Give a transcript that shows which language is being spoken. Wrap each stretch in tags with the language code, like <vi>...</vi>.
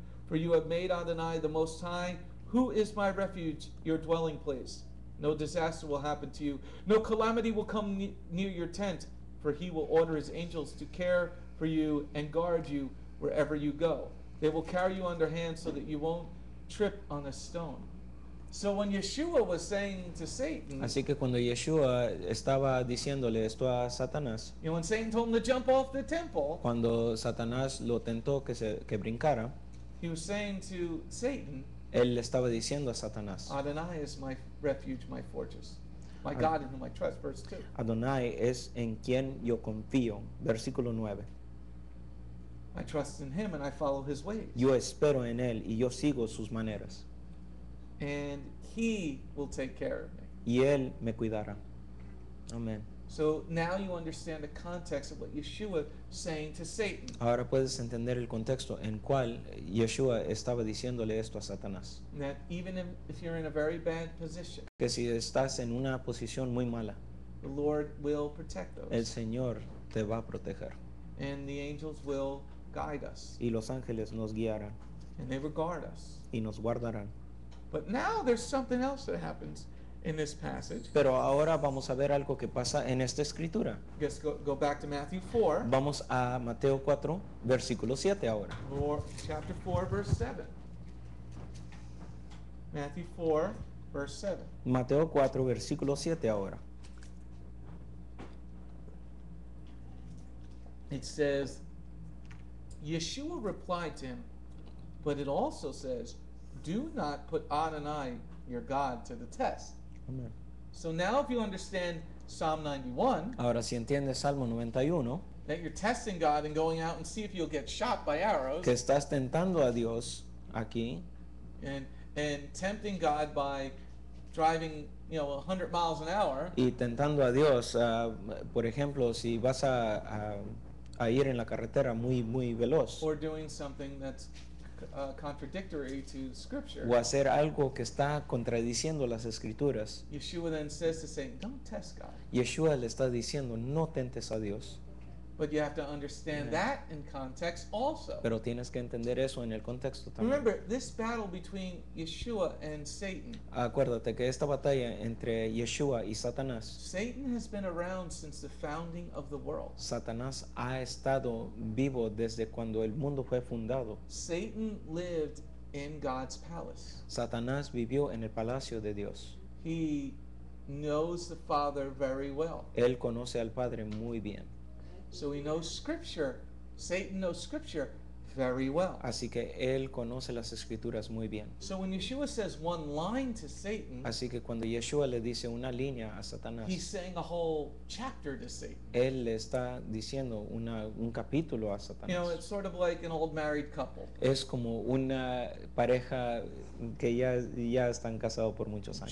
<en>For you have made Adonai the Most High, who is my refuge, your dwelling place. No disaster will happen to you. No calamity will come near your tent, for he will order his angels to care for you and guard you wherever you go. They will carry you on their hands so that you won't trip on a stone. So when Yeshua was saying to Satan,</en> <es>así que cuando Yeshua estaba diciéndole esto a Satanás,</es> <en>you know, when Satan told him to jump off the temple,</en> <es>cuando Satanás lo tentó que brincara,</es> <en>he was saying to Satan,</en> <es>él estaba diciendo a Satanás,</es> <en>Adonai is my refuge, my fortress, my God in whom I trust. Verse 2.</en> <es>Adonai es en quien yo confío. Versículo 9.</es> <en>I trust in him and I follow his ways.</en> <es>Yo espero en él y yo sigo sus maneras.</es> <en>And he will take care of me.</en> <es>Y él me cuidará. Amen.</es> <en>So now you understand the context of what Yeshua saying to Satan.</en> <es>Ahora puedes entender el contexto en cual Yeshua estaba diciéndole esto a Satanás.</es> <en>That even if you're in a very bad position,</en> <es>que si estás en una posición muy mala,</es> <en>the Lord will protect those.</en> <es>El Señor te va a proteger.</es> <en>And the angels will guide us.</en> <es>Y los ángeles nos guiarán.</es> <en>And they will guard us.</en> <es>Y nos guardarán.</es> <en>But now there's something else that happens in this passage.</en> <es>Pero ahora vamos a ver algo que pasa en esta escritura.</es> <en>Just go back to Matthew 4.</en> <es>Vamos a Mateo 4, versículo 7 ahora.</es> <en>Chapter 4, verse 7. Matthew 4, verse 7.</en> <es>Mateo 4, versículo 7 ahora.</es> <en>It says, Yeshua replied to him, but it also says, do not put Adonai, your God, to the test. Amen. So now if you understand Psalm 91.</en> <es>Ahora si entiendes Salmo 91.</es> <en>That you're testing God and going out and see if you'll get shot by arrows.</en> <es>Que estás tentando a Dios aquí.</es> <en>And tempting God by driving, you know, 100 miles an hour.</en> <es>Y tentando a Dios, por ejemplo, si vas a ir en la carretera muy muy veloz.</es> <en>Or doing something that's contradictory to scripture.</en> <es>O hacer algo que está contradiciendo las escrituras.</es> <en>Yeshua then says to Satan, "Don't test God."</en> <es>Yeshua le está diciendo, "No tentes a Dios."</es> <en>But you have to understand that in context also.</en> <es>Pero tienes que entender eso en el contexto también.</es> <en>Remember, this battle between Yeshua and Satan.</en> <es>Acuérdate que esta batalla entre Yeshua y Satanás.</es> <en>Satan has been around since the founding of the world.</en> <es>Satanás ha estado vivo desde cuando el mundo fue fundado.</es> <en>Satan lived in God's palace.</en> <es>Satanás vivió en el palacio de Dios.</es> <en>He knows the Father very well.</en> <es>Él conoce al Padre muy bien.</es> <en>So he knows scripture. Satan knows scripture very well.</en> <es>Así que él conoce las escrituras muy bien.</es> <en>So when Yeshua says one line to Satan,</en> <es>así que cuando Yeshua le dice una línea a Satanás,</es> <en>he's saying a whole chapter to Satan.</en> <es>Él le está diciendo un capítulo a Satanás.</es> <en>You know, it's sort of like an old married couple.</en> <es>Es como una pareja que ya están casados por muchos años.</es>